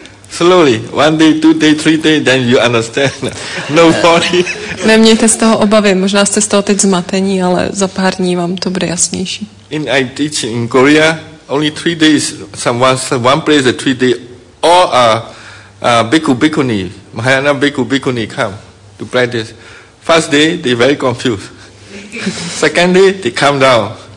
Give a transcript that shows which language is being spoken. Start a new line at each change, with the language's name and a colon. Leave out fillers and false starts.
English: Slowly, one day, two day, three day, then you understand. No worry.
Czech: Nemějte z toho obavy, možná jste z toho teď zmatení, ale za pár dní vám to bude jasnější.
English: In I teach in Korea, only 3 days, one place, 3 days, all bhikkhuni, Mahayana bhikkhuni come to practice. First day, they very confused. Second day, they calm down.